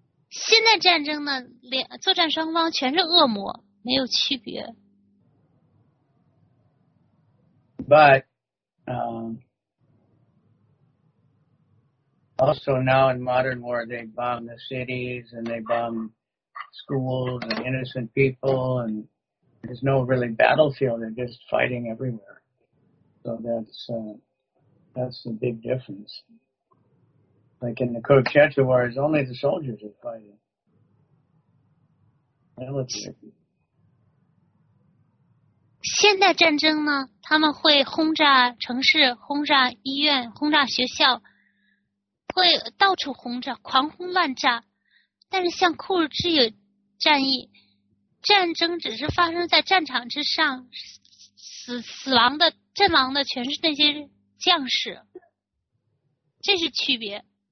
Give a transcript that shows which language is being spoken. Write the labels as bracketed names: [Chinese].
[Chinese] 现在战争呢，作战双方全是恶魔，没有区别。 [English] But also now in modern war, they bomb the cities and they bomb schools and innocent people, and there's no really battlefield. They're just fighting everywhere. So that's the big difference. Like in the Kurukshetra War, it's only the soldiers are fighting. Military. [Chinese] 现代战争呢，他们会轰炸城市，轰炸医院，轰炸学校，会到处轰炸，狂轰乱炸。但是像库尔之野战役，战争只是发生在战场之上，死亡的阵亡的全是那些将士，这是区别。